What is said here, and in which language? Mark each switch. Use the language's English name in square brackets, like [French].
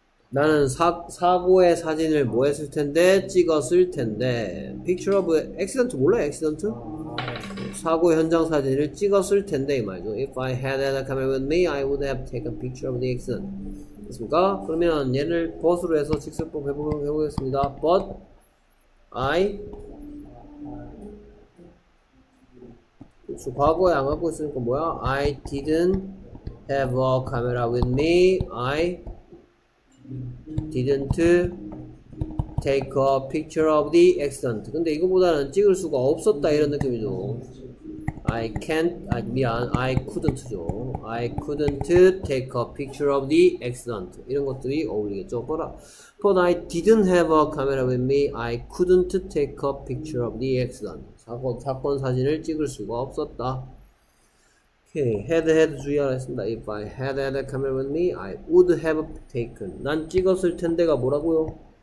[Korean] 나는 사고의 사진을 뭐 했을 텐데? 찍었을 텐데. picture of accident 몰라요? accident? 사고 현장 사진을 찍었을 텐데 이 말이죠. [English] If I had had a camera with me, I would have taken a picture of the accident. [Korean] 됐습니까? 그러면 얘를 but으로 해서 직설법 해보겠습니다. but I 그쵸, 과거에 안 갖고 있으니까 뭐야? [English] I didn't have a camera with me. I didn't take a picture of the accident. [Korean] 근데 이거보다는 찍을 수가 없었다 이런 느낌이죠. [English] I can't, 아, 미안, I couldn't죠. I couldn't take a picture of the accident. [Korean] 이런 것들이 어울리겠죠. [English] But I didn't have a camera with me. I couldn't take a picture of the accident. [Korean] 사건 사진을 찍을 수가 없었다. Okay, had 주의하라 했습니다. [English] If I had had a camera with me, I would have taken. [Korean] 난 찍었을 텐데가 뭐라고요?